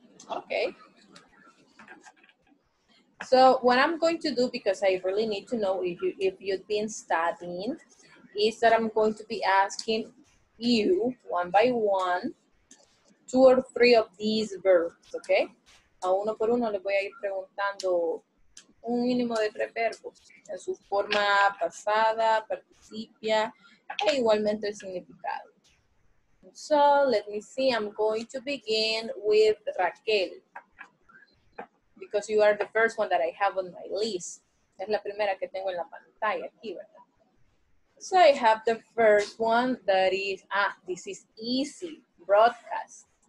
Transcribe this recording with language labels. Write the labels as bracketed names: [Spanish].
[English] Okay. So what I'm going to do, because I really need to know if you've been studying, is that I'm going to be asking you, one by one, two or three of these verbs, okay? [Spanish] A uno por uno les voy a ir preguntando un mínimo de tres verbos en su forma pasada, participia, e igualmente el significado. [English] So, let me see, I'm going to begin with Raquel. Because you are the first one that I have on my list. [Spanish] Es la primera que tengo en la pantalla aquí, ¿verdad? [English] So, I have the first one that is, this is easy, broadcast.